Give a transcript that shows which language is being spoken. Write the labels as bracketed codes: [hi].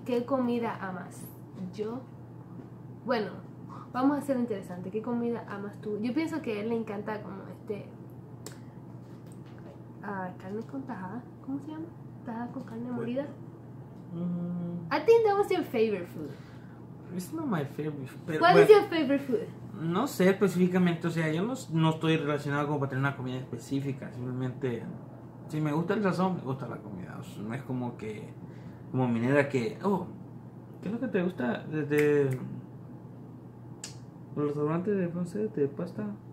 [es] ¿Qué comida amas? Yo, bueno, vamos a hacer interesante. ¿Qué comida amas tú? Yo pienso que a él le encanta como carne con tajada. ¿Cómo se llama? Tajada con carne molida. [en] I think that was your favorite food. It's not my favorite food. [es] ¿Cuál es [en] your favorite food? [es] No sé específicamente, o sea, yo no estoy relacionado como para tener una comida específica. Simplemente, si me gusta el sazón, me gusta la comida. O sea, no es como que, como minera que, oh, ¿qué es lo que te gusta de los restaurantes de francés, de pasta?